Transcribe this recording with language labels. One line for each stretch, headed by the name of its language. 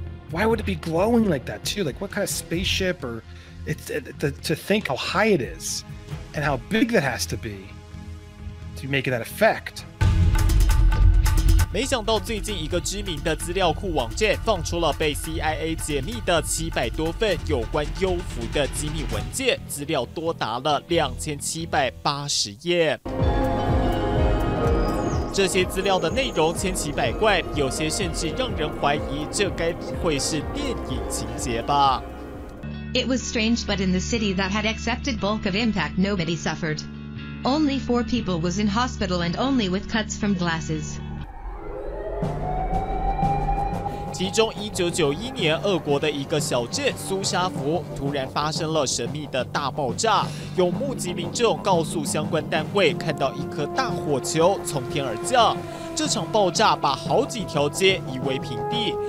English: Why would it be glowing like that too? Like what kind of spaceship or it's to think how high it is. And how big that has to be to make that effect.
Chinese: 没想到最近一个知名的资料库网站放出了被 CIA 解密的700多份有关 UFO 的机密文件，资料多达了2780页。这些资料的内容千奇百怪，有些甚至让人怀疑这该不会是电影情节吧。
English: It was strange, but in the city that had accepted bulk of impact, nobody suffered. Only 4 people was in hospital and only with cuts from glasses.
Chinese: 其中1991年俄国的一个小镇苏沙福突然发生了神秘的大爆炸。有目击民众告诉相关单位，看到一颗大火球从天而降。这场爆炸把好几条街夷为平地。